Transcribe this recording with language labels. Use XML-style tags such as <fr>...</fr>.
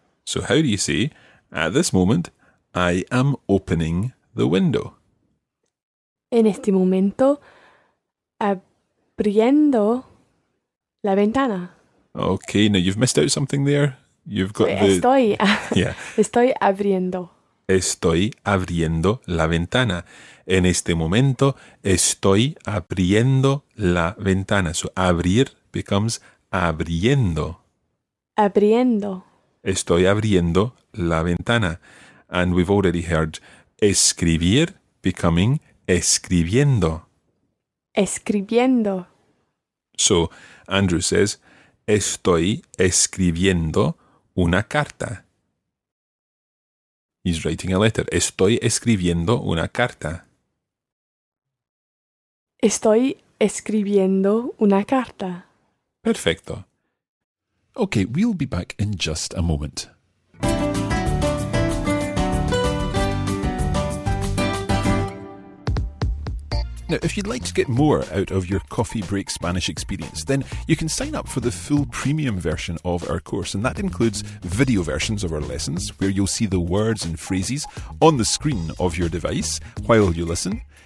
<en>So how do you say, at this moment, I am opening the window?</en> <es>En este momento, abriendo la ventana.</es> <en>Okay, now you've missed out something there. You've got the...</en> <es>Estoy. Yeah. Estoy abriendo. Estoy abriendo la ventana. En este momento, estoy abriendo la ventana.</es> <en>So abrir becomes abriendo.</en> <es>Abriendo. Estoy abriendo la ventana.</es> <en>And we've already heard escribir becoming escribiendo.</en> <es>Escribiendo.</es> <en>So, Andrew says,</en> <es>estoy escribiendo una carta.</es> <en>He's writing a letter.</en> <es>Estoy escribiendo una carta. Estoy escribiendo una carta. Perfecto.</es> <en>Okay, we'll be back in just a moment. Now, if you'd like to get more out of your Coffee Break Spanish experience, then you can sign up for the full premium version of our course, and that includes video versions of our lessons, where you'll see the words and phrases on the screen of your device while you listen.</en>